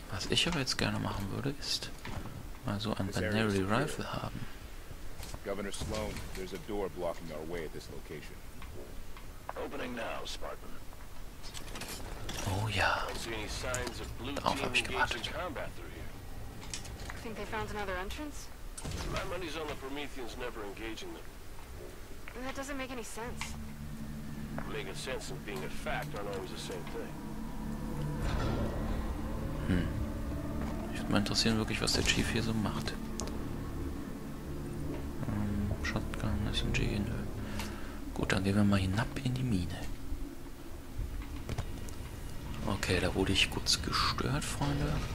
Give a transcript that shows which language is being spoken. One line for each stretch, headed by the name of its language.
German: Ich aber jetzt gerne machen würde, ist mal so ein Binary Rifle haben.
English: Governor Sloan, there's a door blocking our way at this location. Opening now, Spartan.
German: Oh ja. Darauf habe ich gewartet.
English: Think they found another entrance? My money's on the Prometheans never engaging them. That doesn't make any sense. Making sense and being a fact aren't always the same thing.
German: Mal interessieren wirklich, was der Chief hier so macht. Shotgun, SMG, nö. Gut, dann gehen wir mal hinab in die Mine. Okay, da wurde ich kurz gestört, Freunde.